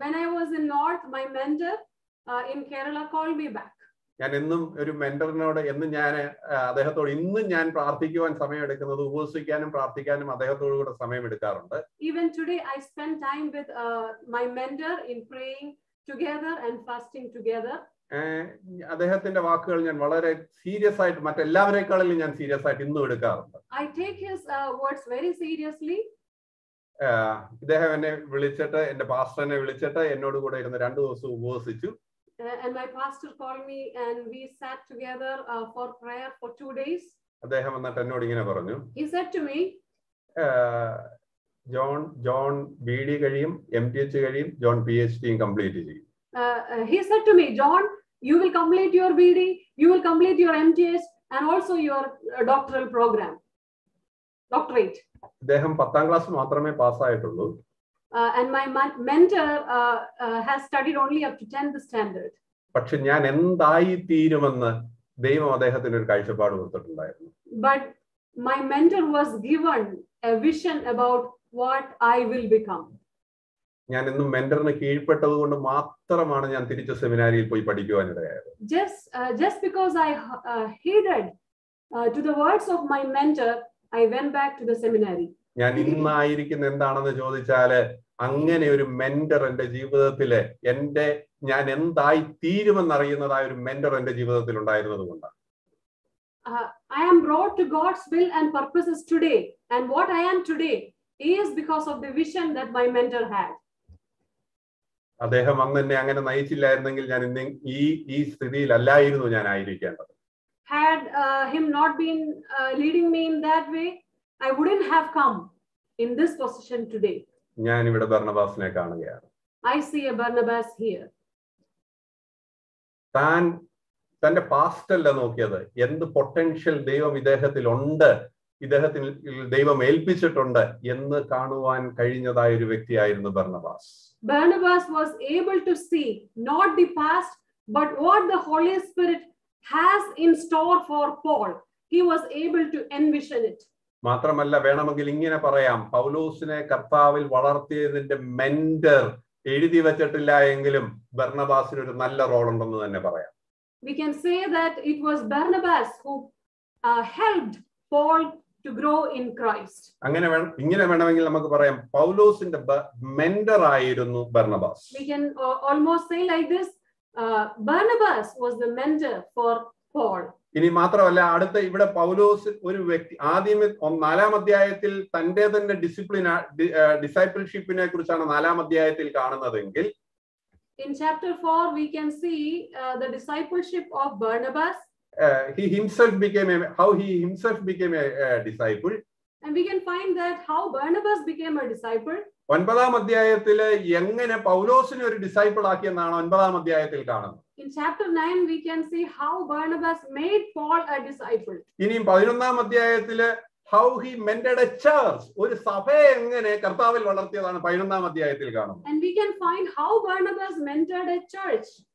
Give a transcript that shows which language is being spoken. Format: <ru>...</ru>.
<en>When I was in North, my mentor in Kerala called me back.</en> <ml>ഞാൻ എന്നും ഒരു മെന്ററിനോട് എന്നും ഞാൻ അദ്ദേഹത്തോട് ഇന്നും ഞാൻ പ്രാർത്ഥിക്കുവാൻ സമയം എടുക്കുന്നത് ഉപസിക്കാനും പ്രാർത്ഥിക്കാനും അദ്ദേഹത്തോട് കൂടെ സമയം എടുക്കാറുണ്ട്.</ml> <en>Even today I spend time with my mentor in praying together and fasting together.</en> <ml>അദ്ദേഹത്തിന്റെ വാക്കുകൾ ഞാൻ വളരെ സീരിയസ് ആയിട്ട് മറ്റെല്ലാവരെക്കാളും ഞാൻ സീരിയസ് ആയിട്ട് ഇന്നും എടുക്കാറുണ്ട്.</ml> <en>I take his words very seriously.</en> <ml>ഇദ്ദേഹം എന്നെ വിളിച്ചിട്ട് എന്റെ പാസ്റ്ററിനെ വിളിച്ചിട്ട് എന്നോട് കൂടെ ഇരുന്ന് രണ്ടു ദിവസം ഉപവസിച്ചു.</ml> <en>And my pastor called me and we sat together for prayer for 2 days.</en> <ml>Adeham vannatte ennod ingane paranju.</ml> <en>He said to me,</en> <ml>John BD kaliyum MTH kaliyum John PhD in complete cheyyu.</ml> <en>He said to me, John, you will complete your BD, you will complete your MTH and also your doctoral program, doctorate.</en> <ml>Adeham 10th class maatrame pass aayittullu.</ml> <en>And my mentor has studied only up to 10th standard.</en> <ml>പക്ഷെ ഞാൻ എന്തായി തീരുമെന്ന് ദൈവം അദ്ദേഹത്തിന് ഒരു കാഴ്ചപ്പാട് കൊടുത്തിട്ടുണ്ടായിരുന്നു.</ml> <en>But my mentor was given a vision about what I will become.</en> <ml>ഞാൻ എന്നും മെന്ററിന് കീഴ്പ്പെട്ടതുകൊണ്ട് മാത്രമാണ് ഞാൻ തിരിച്ച് സെമിനാരിയിൽ പോയി പഠിക്കുവാനിടയായത്.</ml> <en>Just because I heeded to the words of my mentor, I went back to the seminary.</en> <ml>ഞാൻ ഇന്നായിരിക്കുന്ന എന്താണെന്ന് ചോദിച്ചാല് അങ്ങനെ ഒരു മെന്റർ എന്റെ ജീവിതത്തില് എന്റെ ഞാൻ എന്തായി തീരുമെന്നറിയുന്നതായ ഒരു മെന്റർ എന്റെ ജീവിതത്തിൽ ഉണ്ടായിരുന്നത് കൊണ്ടാണ്.</ml> <en>I am brought to God's will and purposes today and what I am today is because of the vision that my mentor had.</en> <ml>അദ്ദേഹം അന്ന് എന്നെ അങ്ങനെ നയിച്ചില്ലായിരുന്നെങ്കിൽ ഞാൻ ഇന്ന് ഈ സ്ഥിതിയിലല്ലായിരുന്നു ഞാൻ ആയിരിക്കേണ്ടത്.</ml> <en>Had him not been leading me in that way, I wouldn't have come in this position today.</en> <ml>ഞാൻ ഇവിടെ ബർണബാസിനെ കാണുകയാണ്.</ml> <en>I see a Barnabas here.</en> <ml>താൻ തന്റെ പാസ്റ്റല്ല നോക്കിയത്, എന്ത് പൊട്ടൻഷ്യൽ ദൈവം ഇദ്ദേഹത്തിൽ ഉണ്ട്, ഇദ്ദേഹത്തിൽ ദൈവം ഏൽപ്പിച്ചിട്ടുണ്ട് എന്ന് കാണുവാൻ കഴിഞ്ഞതായ ഒരു വ്യക്തിയായിരുന്നു Barnabas.</ml> <en>Barnabas was able to see not the past but what the Holy Spirit has in store for Paul. He was able to envision it.</en> <ml>മാത്രമല്ല, വേണമെങ്കിൽ ഇങ്ങനെ പറയാം, പൗലോസിനെ കർത്താവിൽ വളർത്തിയതിന്റെ മെന്റർ എഴുതി വെച്ചിട്ടില്ല എങ്കിലും ബർണബാസിന് ഒരു നല്ല റോൾ ഉണ്ടെന്ന് തന്നെ പറയാം.</ml> <en>We can say that it was Barnabas who helped Paul to grow in Christ.</en> <ml>അങ്ങനെ ഇങ്ങനെ വേണമെങ്കിൽ നമുക്ക് പറയാം, പൗലോസിന്റെ മെന്റർ ആയിരുന്നു Barnabas.</ml> <en>We can almost say like this, Barnabas was the mentor for Paul.</en> <ml>ഇനി മാത്രമല്ല, അടുത്ത ഇവിടെ പൗലോസ് ഒരു വ്യക്തി ആദ്യം 4-ാം അധ്യായത്തിൽ തന്റെ തന്നെ ഡിസിപ്ലിൻ ഡിസൈപ്പിൾഷിപ്പിനെ കുറിച്ചാണ് 4-ാം അധ്യായത്തിൽ കാണുന്നതെങ്കിൽ,</ml> <en>In chapter 4 we can see the discipleship of Barnabas. He himself became how he himself became a disciple and we can find that how Barnabas became a disciple.</en> <ml>9-ാം അധ്യായത്തിൽ എങ്ങനെ പൗലോസിനെ ഒരു ഡിസൈപ്പിൾ ആക്കിയെന്നാണ് 9-ാം അധ്യായത്തിൽ കാണുന്നത്.</ml> <en>In chapter 9 we can see how Barnabas made Paul a disciple.</en> <ml>ഇനിയും 11-ാം അധ്യായത്തിലെ</ml> <en>how he mended a church,</en> <ml>ഒരു സഭയെ എങ്ങനെ കർത്താവിൽ വളർത്തിയതാണ് 11-ാം അധ്യായത്തിൽ കാണുന്നത്.</ml> <en>And we can find how Barnabas mentored a church.</en>